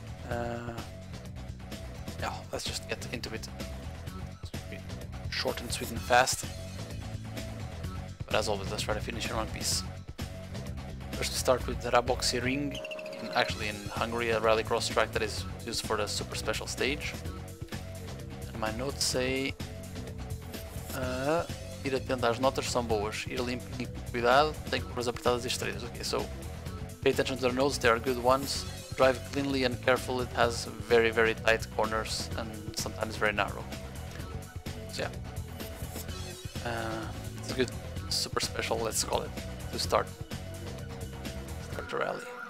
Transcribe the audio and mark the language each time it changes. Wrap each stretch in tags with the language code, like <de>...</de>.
<en>Yeah, let's just get into it. Short and sweet and fast. But as always, let's try to finish in one piece. First we start with the RabocsiRing, actually in Hungary, a rallycross track that is used for the super special stage. My notes say,</en> <pt>ir atento às notas são boas, ir limpinho com cuidado, tem curvas apertadas e estreitas.</pt> <en>Okay, so pay attention to the notes, they are good ones. Drive cleanly and careful, it has very, very tight corners and sometimes very narrow. So yeah, it's a good super special, let's call it, to start the rally.</en>